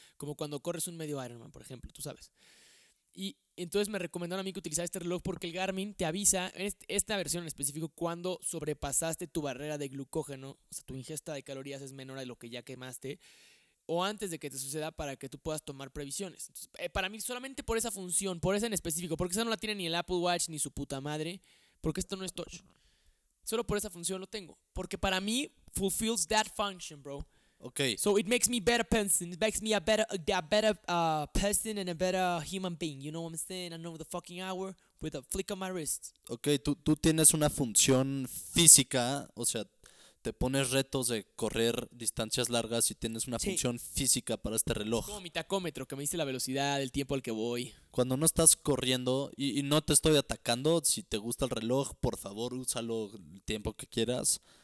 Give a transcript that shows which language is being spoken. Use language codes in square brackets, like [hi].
[es] Como cuando corres un medio Ironman, por ejemplo, tú sabes. Y entonces me recomendaron a mí que utilizara este reloj porque el Garmin te avisa, esta versión en específico, cuando sobrepasaste tu barrera de glucógeno, o sea, tu ingesta de calorías es menor a lo que ya quemaste, o antes de que te suceda para que tú puedas tomar previsiones. Entonces, para mí, solamente por esa función, por esa en específico, porque esa no la tiene ni el Apple Watch ni su puta madre, porque esto no es touch. Solo por esa función lo tengo. Porque para mí, [en] fulfills that function, bro. Okay. So it makes me better person. It makes me a better person and a better human being. You know what I'm saying? I know the fucking hour with a flick of my wrist. [es] Okay, tú tienes una función física, o sea, te pones retos de correr distancias largas y tienes una función física para este reloj. Como mi tacómetro que me dice la velocidad, el tiempo al que voy. Cuando no estás corriendo y no te estoy atacando, si te gusta el reloj, por favor, úsalo el tiempo que quieras.